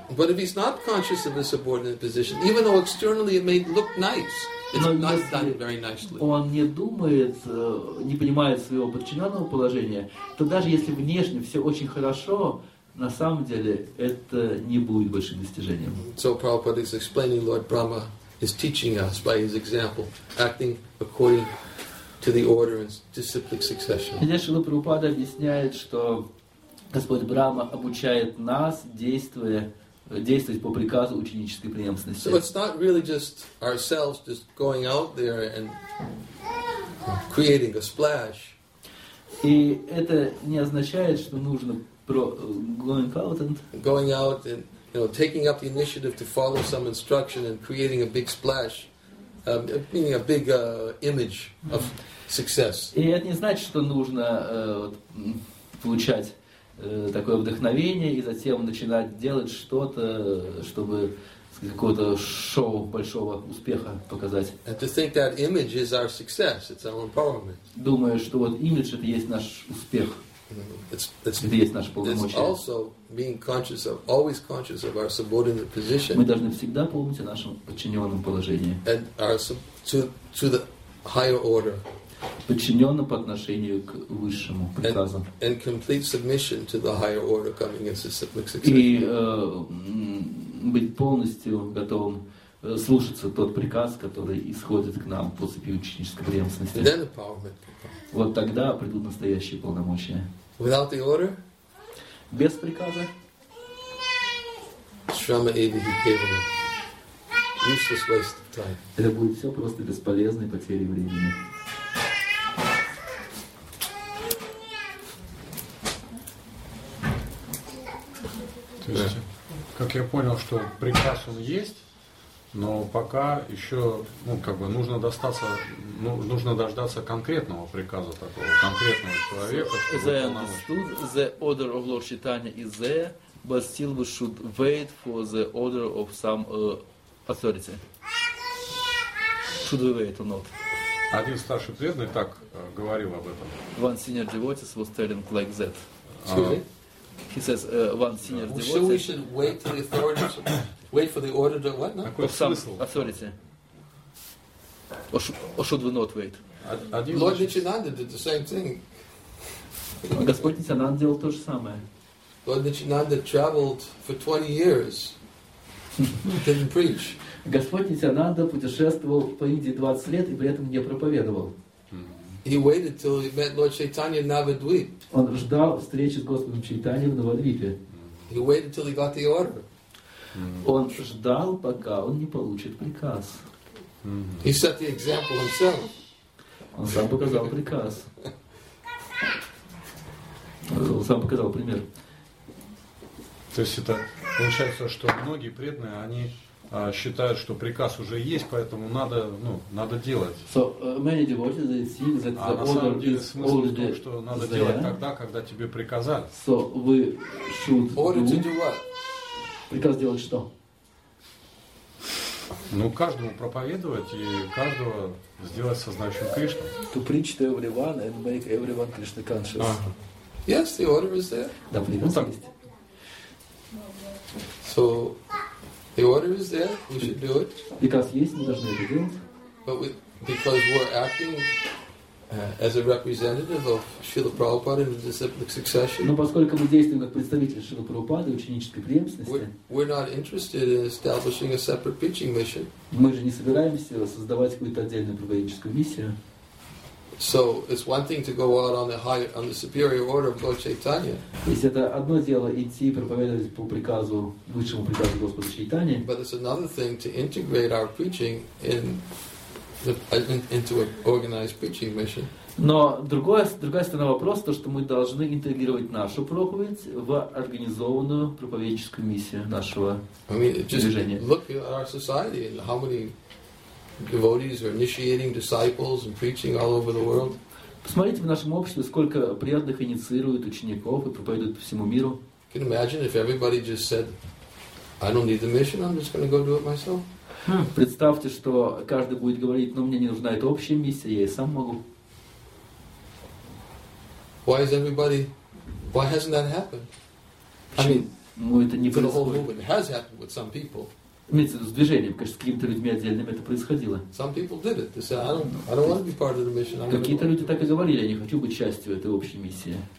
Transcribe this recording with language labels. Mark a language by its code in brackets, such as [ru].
[en] But if he's not conscious of his subordinate position, even though externally it may look nice, it's not done very nicely. [ru] Он не думает, не понимает своего подчиненного положения, то даже если внешне все очень хорошо, на самом деле это не будет большим достижением. [en] So Prabhupada is explaining Lord Brahma is teaching us by his example, acting according to the order and disciplic succession. [ru] Шрила Прабхупада объясняет, что Господь Брахма обучает нас действовать по приказу ученической преемственности. [en] So it's not really just ourselves just going out there and creating a splash. [ru] И это не означает, что нужно [en] going out and you know, taking up the initiative to follow some instruction and creating a big splash. Meaning a big image of success. [ru] И это не значит, что нужно получать такое вдохновение, и затем начинать делать что-то, чтобы какого-то шоу большого успеха показать. [en] And to think that image is our success, it's our empowerment. [ru] Думаю, что вот имидж — это есть наш успех. Это есть наше полномочие. [en] It's also being conscious of, always conscious of our subordinate position. [ru] Мы должны всегда помнить о нашем подчиненном положении. [en] And our to the higher order. [ru] Подчиненно по отношению к высшему приказу. [en] And complete submission to the higher order coming into cyclic succession. [ru] И быть полностью готовым слушаться тот приказ, который исходит к нам по цепи ученической преемственности. [en] Then empowerment. [ru] Вот тогда придут настоящие полномочия. [en] Without the order? [ru] Без приказа? [sa] Shrama evihi kevala. [en] Useless waste of time. [ru] Это будет все просто бесполезной потерей времени. То есть, как я понял, что приказ он есть, но пока еще, ну, как бы нужно достаться, ну, нужно дождаться конкретного приказа такого, конкретного человека. [en] The understood the order of Lord Chaitanya is there, but still we should wait for the order of some authority. Should we wait or not? [ru] Один старший преданный так говорил об этом. [en] One senior devotee was telling like that. Excuse me? He says one senior devotee. So we should wait for the authority. Wait for the order to what? No? Of some authority. Or should we not wait? Lord Nityananda did the same thing. [ru] Господь Нитянанда делал то же самое. [en] Lord Nityananda traveled for 20 years. Didn't preach. [ru] Господь Нитянанда путешествовал по Индии 20 лет и при этом не проповедовал. [en] He waited till he met Lord Chaitanya Navadvip. [ru] Он ждал встречи с Господом Чайтанья в Навадвипе. [en] He waited till he got the order. [ru] Он ждал, пока он не получит приказ. [en] He set the example himself. [ru] Он сам показал приказ. Он сам показал пример. То есть это получается, что многие преданные, они считают, что приказ уже есть, поэтому надо, ну, надо делать. [en] So, many devotees, they see that the order is already there. [ru] А на самом деле смысл в том, что надо делать тогда, когда тебе приказали. [en] So, we should do. Order to do what? [ru] Приказ делать что? Ну, каждому проповедовать и каждого сделать сознающим Кришну. [en] To preach to everyone and make everyone Krishna conscious. Yes, the order is there. [ru] Да, приказ есть. [en] So the order is there. We should do it. Because [ru] есть, мы должны это делать. [en] But because we're acting as a representative of Srila Prabhupada in the disciplic succession. [ru] Но поскольку мы действуем как представители Шрилы Прабхупады в ученической преемственности. [en] We're not interested in establishing a separate preaching mission. [ru] Мы же не собираемся создавать какую-то отдельную проповедническую миссию. [en] So it's one thing to go out on the higher, on the superior order of Lord Chaitanya. [ru] Если это одно дело идти проповедовать по приказу высшему приказу Господа Чайтаньи. [en] But it's another thing to integrate our preaching into an organized preaching mission. [ru] Но другая сторона вопроса то, что мы должны интегрировать нашу проповедь в организованную проповедническую миссию нашего движения. [en] Look at our society and how many devotees are initiating disciples and preaching all over the world. [ru] Посмотрите в нашем обществе, сколько преданных инициируют учеников и проповедуют по всему миру. [en] Can you imagine if everybody just said, "I don't need the mission. I'm just going to go do it myself"? [ru] Представьте, что каждый будет говорить: "Но мне не нужна эта общая миссия, я и сам могу". [en] Why is everybody? Why hasn't that happened? I mean, [ru] ну это не [en] for the whole movement. It has happened with some people. [ru] Имеется в виду с движением, конечно, с какими-то людьми отдельными это происходило. Какие-то люди так и говорили, я не хочу быть частью этой общей миссии.